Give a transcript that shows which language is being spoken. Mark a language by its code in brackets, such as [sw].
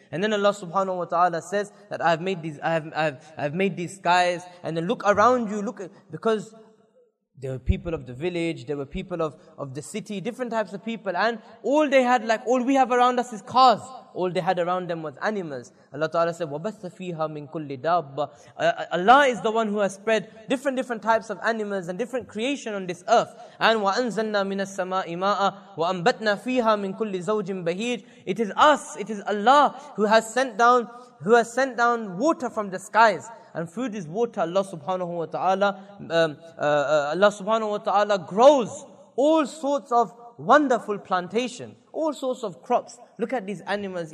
[en] And then Allah subhanahu wa ta'ala says that I have made these skies. And then look around you, look, because there were people of the village, there were people of the city, different types of people, and all they had, like all we have around us, is cars. All they had around them was animals. Allah Ta'ala said, [ar] وَبَثَّ فِيهَا مِنْ كُلِّ دَابَّ. [en] Allah is the one who has spread different types of animals and different creation on this earth. [ar] And وَأَنزَلْنَا مِنَ السَّمَاءِ مَاءً وَأَنبَتْنَا فِيهَا مِنْ كُلِّ زَوْجٍ بَهِيجٍ. [en] It is Allah who has sent down water from the skies. and food is water, Allah subhanahu wa ta'ala, Allah subhanahu wa ta'ala grows all sorts of wonderful plantation, all sorts of crops. Look at these animals.